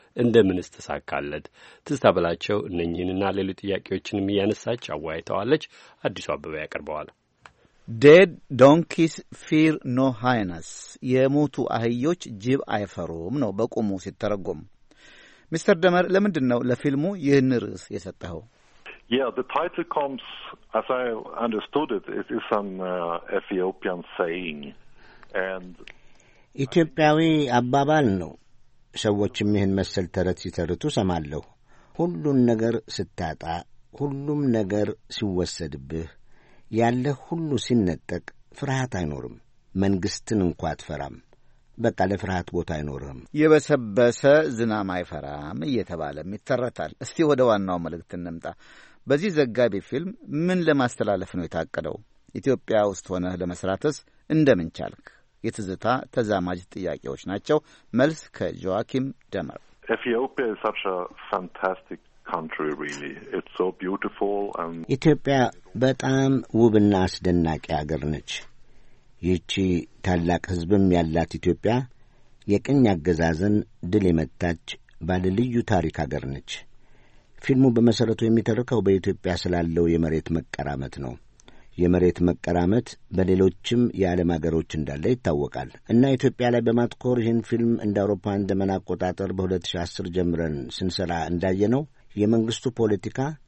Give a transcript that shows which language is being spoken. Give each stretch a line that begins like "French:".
Amharic: እንደምንስ ተሳካለት? ትዝታ በላቸው እነኚህንና ሌሎች ጥያቄዎችንም እያነሳች አወያይተዋለች። አዲሱ አበበ ያቀርበዋል። ዴድ ዶንኪስ ፊር ኖ ሃይነስ፣ የሞቱ አህዮች ጅብ አይፈሩም ነው በቁሙ ሲተረጎም። ሚስተር ደመር ለምንድን ነው ለፊልሙ ይህን ርዕስ የሰጠኸው?
English: Yeah, the title comes, as I understood it, it is an Ethiopian saying. And
Amharic: ኢትዮጵያዊ አባባል ነው። ሰዎችም ይህን መሰል ተረት ሲተርቱ ሰማለሁ። ሁሉን ነገር ስታጣ፣ ሁሉም ነገር ሲወሰድብህ፣ ያለህ ሁሉ ሲነጠቅ ፍርሃት አይኖርም። መንግሥትን እንኳ አትፈራም። በቃ ለፍርሃት ቦታ አይኖርህም። የበሰበሰ ዝናም አይፈራም እየተባለም ይተረታል። እስቲ ወደ ዋናው መልእክት እንምጣ። በዚህ ዘጋቢ ፊልም ምን ለማስተላለፍ ነው የታቀደው? ኢትዮጵያ ውስጥ ሆነህ ለመስራትስ እንደምን ቻልክ? የትዝታ ተዛማጅ ጥያቄዎች ናቸው። መልስ ከጆአኪም ደመር።
English: Ethiopia is such a fantastic country, really. It's so beautiful and
Amharic: ኢትዮጵያ በጣም ውብና አስደናቂ አገር ነች። ይቺ ታላቅ ሕዝብም ያላት ኢትዮጵያ የቅኝ አገዛዝን ድል የመታች ባለልዩ ታሪክ አገር ነች። ፊልሙ በመሠረቱ የሚተርከው በኢትዮጵያ ስላለው የመሬት መቀራመት ነው። የመሬት መቀራመት በሌሎችም የዓለም አገሮች እንዳለ ይታወቃል። እና ኢትዮጵያ ላይ በማትኮር ይህን ፊልም እንደ አውሮፓውያን ዘመን አቆጣጠር በ2010 ጀምረን ስንሰራ እንዳየነው የመንግሥቱ ፖለቲካ